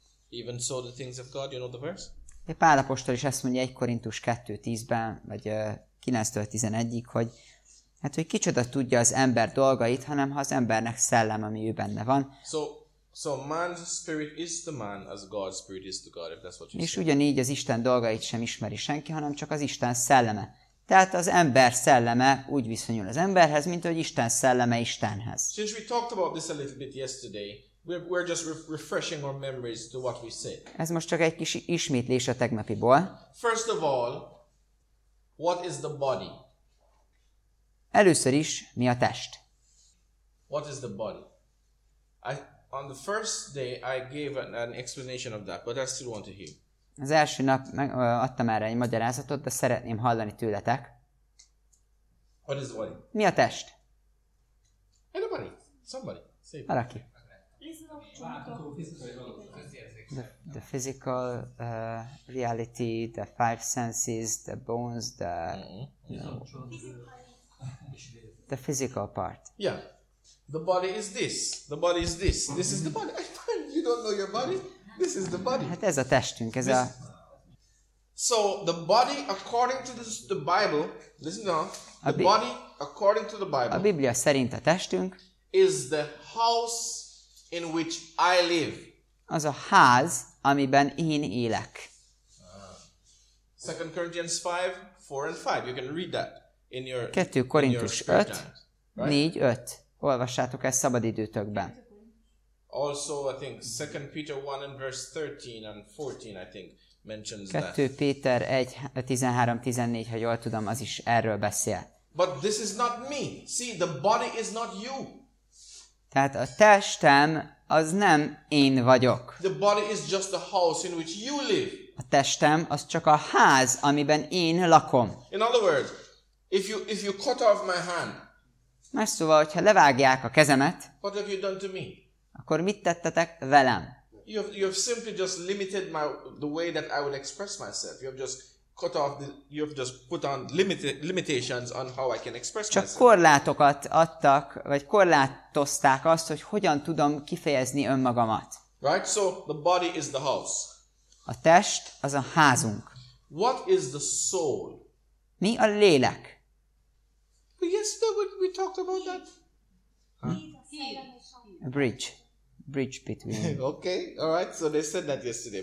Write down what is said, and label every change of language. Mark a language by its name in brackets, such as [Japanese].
[English] Even so the things of God, you know the verse? [Hungarian] De Pál apostol is ezt mondja 1 Korintus 2:10-ben, vagy 9-11-ig, hogy hát, hogy kicsoda tudja az ember dolgait, hanem ha az embernek szellem, ami ő benne van. [English] So man's spirit is the man as God's spirit is the God, if that's what you're saying. [Hungarian] És ugyanígy az Isten dolgait sem ismeri senki, hanem csak az Isten szelleme. Tehát az ember szelleme úgy viszonyul az emberhez, mint hogy Isten szelleme Istenhez. [English] Since we talked about this a little bit yesterday, we're just refreshing our memories to what we said. [Hungarian] Ez most csak egy kis ismétlés a tegnapiból. [English] First of all, what is the body? [Hungarian] Először is, mi a test? [English] What is the body? On the first day I gave an explanation of that, but I still want to hear. [Hungarian] Az első nap adtam erre egy magyarázatot, de szeretném hallani tőletek. [English] What is the body? [Hungarian] Mi a test? [English] Anybody? Somebody? Say. [Hungarian] Valaki. [English] The physical reality, the five senses, the bones, the the physical part. Yeah, the body is this. The body is this. This is the body. You don't know your body. This is the body. [Hungarian] Hát ez a testünk, ez a. [English] So the body, according to the Bible, listen now. The body, according to the Bible. [Hungarian] A Biblia szerint a testünk. [English] Is the house in which I live. [Hungarian] Az a ház, amiben én élek. [English] 2 Corinthians 5, 4 and 5. You can read that in your [Hungarian] 2 Korintus 5, 4, 5. Olvassátok ezt szabadidőtökben. [English] Also, I think 2 Peter 1 and verse 13 and 14, I think, mentions that. [Hungarian] 2 Péter 1, 13, 14, ha jól tudom, az is erről beszél. [English] But this is not me. See, the body is not you. [Hungarian] Tehát a testem az nem én vagyok. [English] The body is just a house in which you live. [Hungarian] A testem az csak a ház, amiben én lakom. [English] In other words, if you cut off my hand. [Hungarian] Más szóval, hogyha levágják a kezemet. [English] What have you done to me? [Hungarian] Akkor mit tettetek velem? [English] You have simply just limited the way that I will express myself. You have just cut off you have just put on limitations on how I can express myself. [Hungarian] Csak korlátokat adtak, vagy korlátozták azt, hogy hogyan tudom kifejezni önmagamat. [English] Right, so the body is the house. [Hungarian] A test az a házunk. [English] What is the soul? [Hungarian] Mi a lélek? [English] Yesterday we talked about that. A bridge. Bridge between. Okay, all right, so they said that yesterday.